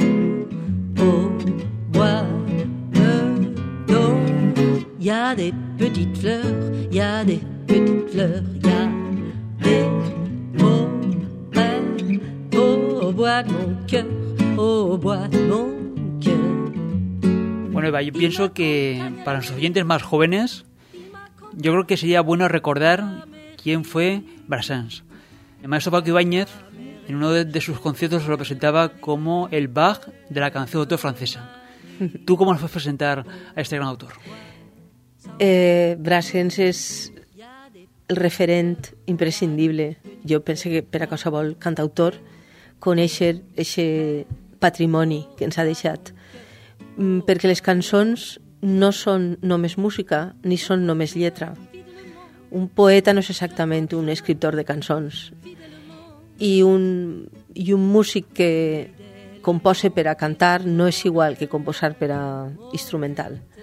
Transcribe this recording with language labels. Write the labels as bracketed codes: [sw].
[fr] Au bois de don, il y a des petites fleurs, il y a des petites fleurs, il y a des copains. Au bois de mon cœur, au bois de mon cœur. [es] Bueno, Eva, yo pienso que para los oyentes más jóvenes, yo creo que sería bueno recordar quién fue Brassens. El maestro Paco Ibáñez, en uno de sus conciertos, se lo presentaba como el Bach de la canción de autor francesa. ¿Tú cómo lo fue a presentar a este gran autor? Brassens es el referente imprescindible. Yo pensé que para qualsevol cantautor conocer ese patrimonio que nos ha dejado. [ca] Perquè les cançons no són només música ni són només lletra. Un poeta no és exactament un escriptor de cançons. I un músic que compose per a cantar no és igual que composar per a instrumental.